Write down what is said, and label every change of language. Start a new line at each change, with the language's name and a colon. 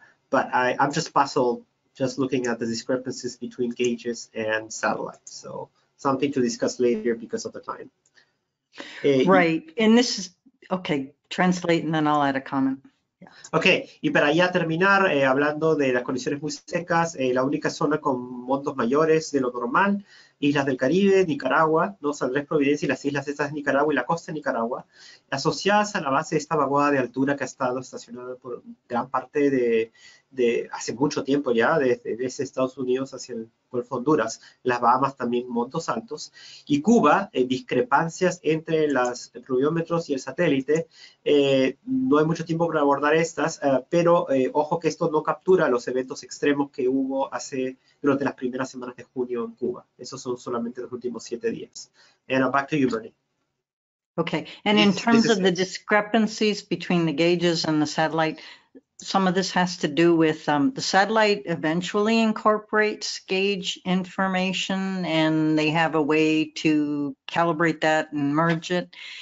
English: But I'm just puzzled just looking at the discrepancies between gauges and satellites. So something to discuss later because of the time. Right, and this is, okay, translate and then I'll add a comment.
Spanish: Ok, y para ya terminar, hablando de las condiciones muy secas, la única zona con montos mayores de lo normal, Islas del Caribe, Nicaragua, no saldrás Providencia y las islas estas de Nicaragua y la costa de Nicaragua, asociadas a la base de esta vaguada de altura que ha estado estacionada por gran parte de hace mucho tiempo ya, desde Estados Unidos hacia el Golfo de Honduras, las Bahamas también montos altos, y Cuba, discrepancias entre los pluviómetros y el satélite, no hay mucho tiempo para abordar estas, pero ojo que esto no captura los eventos extremos que hubo hace durante las primeras semanas de junio en Cuba. Esos son solamente los últimos 7 días.
English: And back to you, Bernie. Okay, and in terms of the discrepancies between the gauges and the satellite, some of this has to do with the satellite eventually incorporates gauge information and they have a way to calibrate that and merge it.